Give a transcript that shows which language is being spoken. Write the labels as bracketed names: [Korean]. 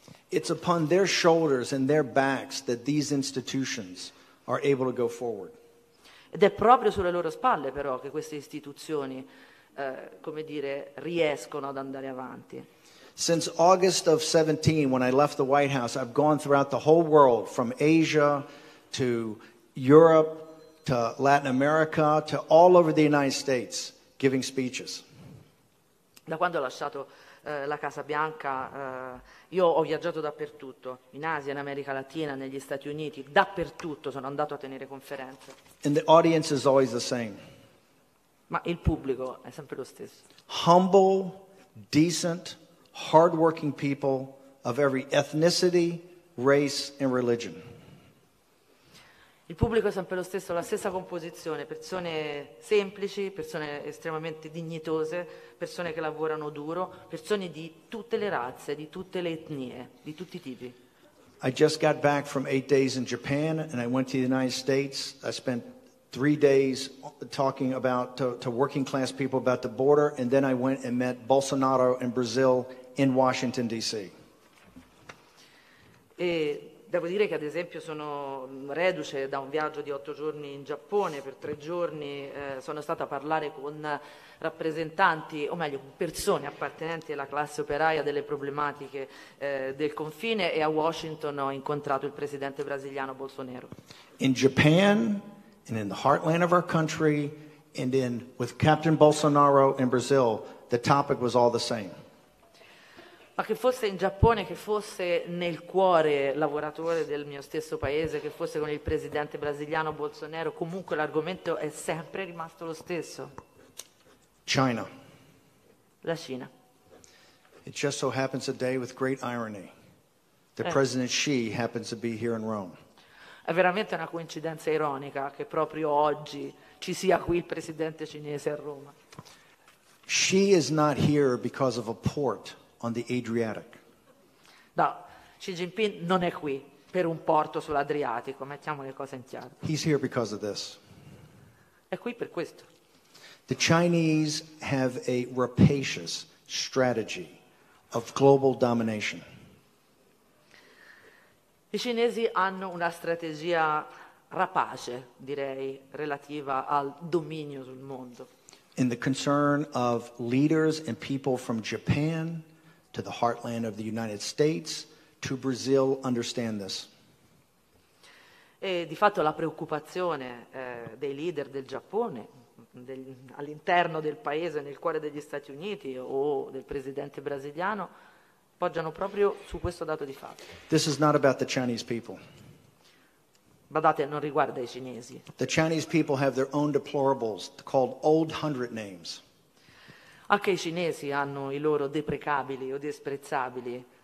[English] It's upon their shoulders and their backs that these institutions are able to go forward. [Italian] Ed è proprio sulle loro spalle però che queste istituzioni, come dire, riescono ad andare avanti. [English] Since August of 17, when I left the White House, I've gone throughout the whole world, from Asia to Europe to Latin America to all over the United States, giving speeches. [Italian] Da quando ho lasciato la Casa Bianca, io ho viaggiato dappertutto, in Asia, in America Latina, negli Stati Uniti, dappertutto sono andato a tenere conferenze. [English] And the audience is always the same. [Italian] Ma il pubblico è sempre lo stesso. [English] Humble, decent, hard-working people of every ethnicity, race and religion. [Italian] Il pubblico è sempre lo stesso, la stessa composizione, persone semplici, persone estremamente dignitose, persone che lavorano duro, persone di tutte le razze, di tutte le etnie, di tutti i tipi. [English] I just got back from 8 days in Japan and I went to the United States. I spent 3 days talking about to working class people about the border, and then I went and met Bolsonaro in Brazil in Washington DC. [Italian] E devo dire che ad esempio sono reduce da un viaggio di 8 giorni in Giappone, per 3 giorni sono stata a parlare con rappresentanti, o meglio persone appartenenti alla classe operaia delle problematiche del confine, e a Washington ho incontrato il presidente brasiliano Bolsonaro. [English] In Japan and in the heartland of our country and in with Captain Bolsonaro in Brazil, the topic was all the same. [Italian] Ma che fosse in Giappone, che fosse nel cuore lavoratore del mio stesso paese, che fosse con il presidente brasiliano Bolsonaro, comunque l'argomento è sempre rimasto lo stesso. [English] China. [Italian] La Cina. [English] It just so happens today, with great irony, that President Xi happens to be here in Rome. [Italian] È veramente una coincidenza ironica che proprio oggi ci sia qui il presidente cinese a Roma. [English] Xi is not here because of a port on the Adriatic. [Italian] No, Xi Jinping non è qui per un porto sull'Adriatico, mettiamo le cose in chiaro. [English] He's here because of this. [Italian] È qui per questo. [English] The Chinese have a rapacious strategy of global domination. [Italian] I cinesi hanno una strategia rapace, direi, relativa al dominio sul mondo. [English] In the concern of leaders and people from Japan to the heartland of the United States, to Brazil, understand this. [Italian] E di fatto la preoccupazione dei leader del Giappone, all'interno del paese, nel cuore degli Stati Uniti, o del presidente brasiliano, poggiano proprio su questo dato di fatto. [English] This is not about the Chinese people. [Italian] Badate, non riguarda i cinesi. [English] The Chinese people have their own deplorables called old hundred names. [Italian] Anche i cinesi hanno i loro deprecabili o disprezzabili,